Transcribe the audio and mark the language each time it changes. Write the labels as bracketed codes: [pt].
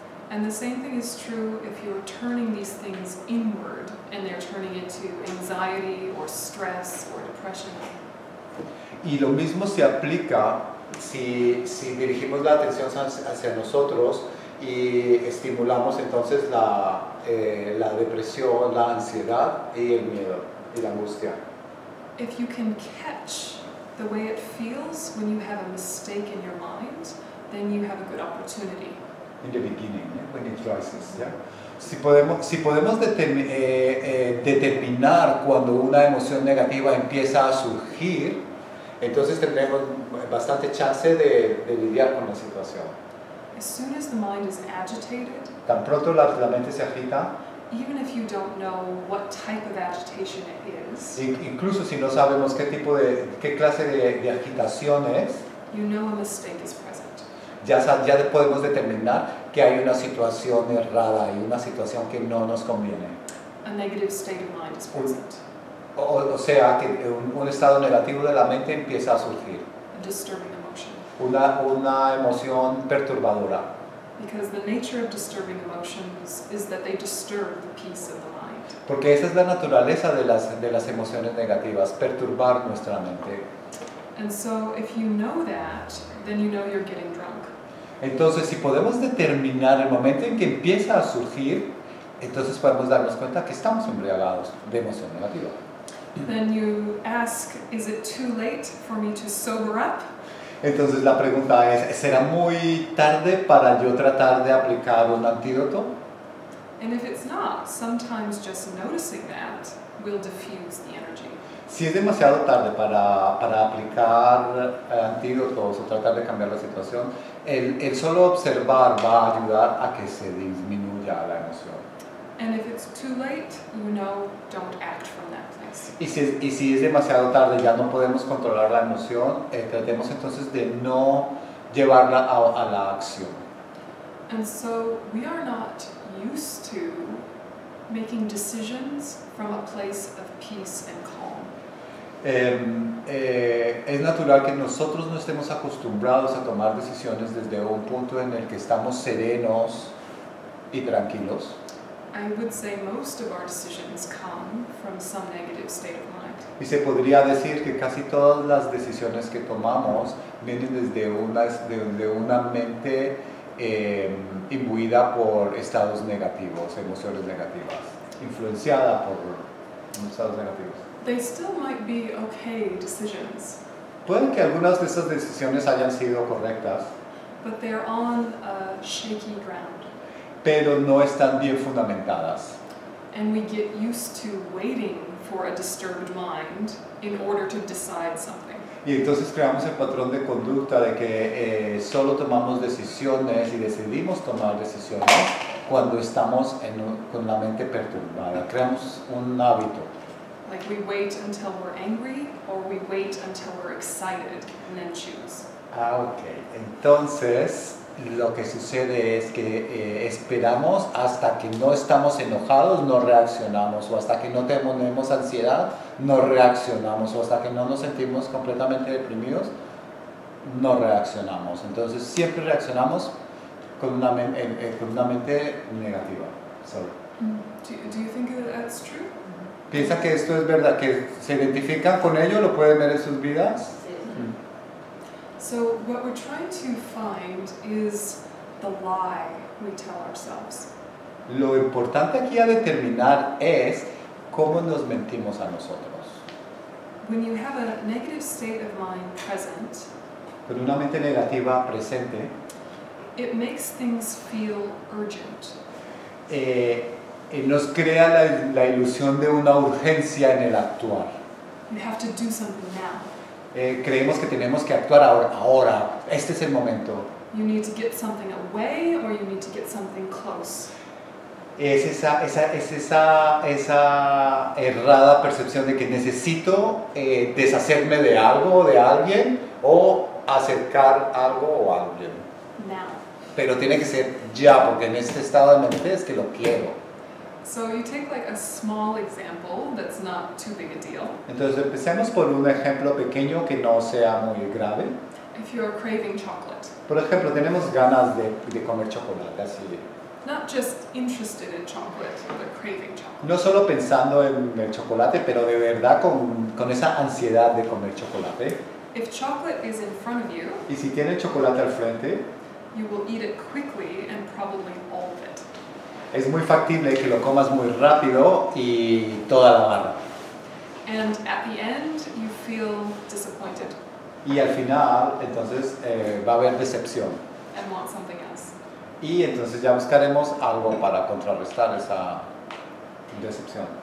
[en] And the same thing is true if you're turning these things inward and they're turning into anxiety or stress or depression. [es] Y lo mismo se aplica si dirigimos la atención hacia nosotros y estimulamos entonces la depresión, la ansiedad y el miedo y la angustia. [en] If you can catch the way it feels when you have a mistake in your mind, then you have a good opportunity. In the beginning, yeah, when it rises, yeah. [es] Si podemos determinar cuando una emoción negativa empieza a surgir, entonces tenemos bastante chance de lidiar con la situación. [en] As soon as the mind is agitated, [es] tan pronto la mente se agita, [en] even if you don't know what type of agitation it is, [es] incluso si no sabemos qué clase de agitación es, [en] you know a mistake is present. [es] Ya podemos determinar que hay una situación errada, hay una situación que no nos conviene. [en] A negative state of mind is present. [es] O sea, que un estado negativo de la mente empieza a surgir. [en] A disturbing emotion. [es] Una emoción perturbadora. [en] Because the nature of disturbing emotions is that they disturb the peace of the mind. [es] Porque esa es la naturaleza de las emociones negativas, perturbar nuestra mente. [en] And so if you know that, then you know you're getting drunk. [es] Entonces, si podemos determinar el momento en que empieza a surgir, entonces podemos darnos cuenta que estamos embriagados de emoción negativa. [en] Then you ask, is it too late for me to sober up? [es] Entonces la pregunta es, ¿será muy tarde para yo tratar de aplicar un antídoto? [en] And if it's not, sometimes just noticing that will diffuse the energy. [es] Si es demasiado tarde para aplicar antídotos o tratar de cambiar la situación, el solo observar va a ayudar a que se disminuya la emoción. [en] And if it's too late, you know, don't act from that place. [es] Y si es demasiado tarde, ya no podemos controlar la emoción, tratemos entonces de no llevarla a la acción. [en] And so we are not used to making decisions from a place of peace and calm. [es] Es natural que nosotros no estemos acostumbrados a tomar decisiones desde un punto en el que estamos serenos y tranquilos. [en] I would say most of our decisions come from some negative state of mind. [es] Y se podría decir que casi todas las decisiones que tomamos vienen desde una mente imbuida por estados negativos, emociones negativas, influenciada por estados negativos. [en] They still might be okay decisions. [es] Puede que algunas de esas decisiones hayan sido correctas. [en] But they're on a shaky ground. [es] Pero no están bien fundamentadas. [en] And we get used to waiting for a disturbed mind in order to decide something. [es] Y entonces creamos el patrón de conducta de que solo tomamos decisiones y decidimos tomar decisiones cuando estamos con la mente perturbada. Creamos un hábito. [en] Like we wait until we're angry, or we wait until we're excited, and then choose. Ah, okay. [es] Entonces, lo que sucede es que esperamos hasta que no estamos enojados, no reaccionamos. O hasta que no tenemos ansiedad, no reaccionamos. O hasta que no nos sentimos completamente deprimidos, no reaccionamos. Entonces, siempre reaccionamos con una mente negativa. [en] Sorry. Do you think that's true? [es] ¿Piensa que esto es verdad? ¿Que se identifican con ello? ¿Lo pueden ver en sus vidas? Sí. [en] So what we're trying to find is the lie we tell ourselves. [es] Lo importante aquí a determinar es cómo nos mentimos a nosotros. [en] When you have a negative state of mind present, [es] con una mente negativa presente, [en] it makes things feel urgent. [es] Nos crea la ilusión de una urgencia en el actuar. [en] You have to do something now. [es] Creemos que tenemos que actuar ahora, este es el momento. [en] You need to get something away or you need to get something close. [es] Es esa errada percepción de que necesito deshacerme de algo o de alguien o acercar algo o alguien. [en] Now. [es] Pero tiene que ser ya, porque en este estado de mente es que lo quiero. [en] So you take like a small example that's not too big a deal. [es] Entonces empecemos por un ejemplo pequeño que no sea muy grave. [en] If you're craving chocolate. [es] Por ejemplo, tenemos ganas de comer chocolate, así. [en] Not just interested in chocolate, but craving chocolate. [es] No solo pensando en el chocolate, pero de verdad con esa ansiedad de comer chocolate. [en] If chocolate is in front of you. [es] Y si tiene chocolate al frente. [en] You will eat it quickly and probably all of it. [es] Es muy factible que lo comas muy rápido y toda la barra. [en] And at the end, you feel disappointed. [es] Y al final, entonces, va a haber decepción. [en] and want something else. [es] Y entonces ya buscaremos algo para contrarrestar esa decepción.